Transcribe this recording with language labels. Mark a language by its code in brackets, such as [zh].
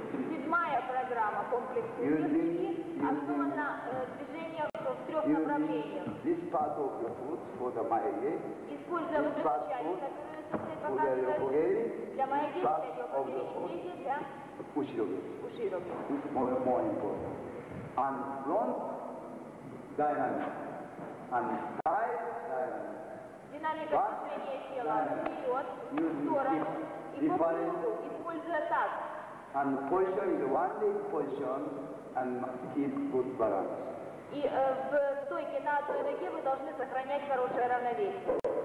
[ru] Седьмая программа комплекса. Основана движение в трех направлениях. [en] This part of your foot for the maege. [ru] Используя вот эту часть, которую для для маеги, ушироги. Ушироги. [en] More important. And front dynamic. And side dynamic. [ru] Динамика движения тела вперед, в сторону. И по кругу, используя так. [en] And position is one leg position and keep good balance. [ru] И в стойке на одной ноге вы должны сохранять хорошее равновесие.